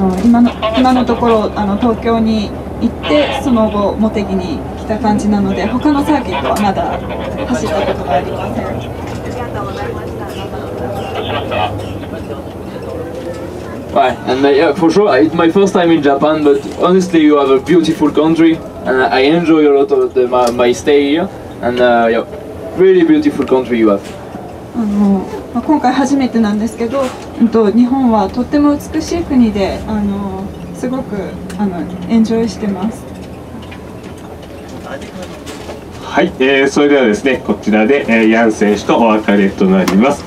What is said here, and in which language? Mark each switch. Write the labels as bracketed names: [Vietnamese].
[Japanese] 今のところ東京に行って、その後茂木に来た感じなので、他のサーキットはまだ走ったことがありません。ありがとうございました。はい、 [English] and yeah, for sure, it's my first time in Japan, but honestly, you have a beautiful country, and I enjoy a lot of my stay here, and yeah, really beautiful country you have. [Japanese] 今回初めてなんですけど、日本はとっても美しい国で、すごくエンジョイしてます。はい、それではですね、こちらで、ヤン選手とお別れとなります。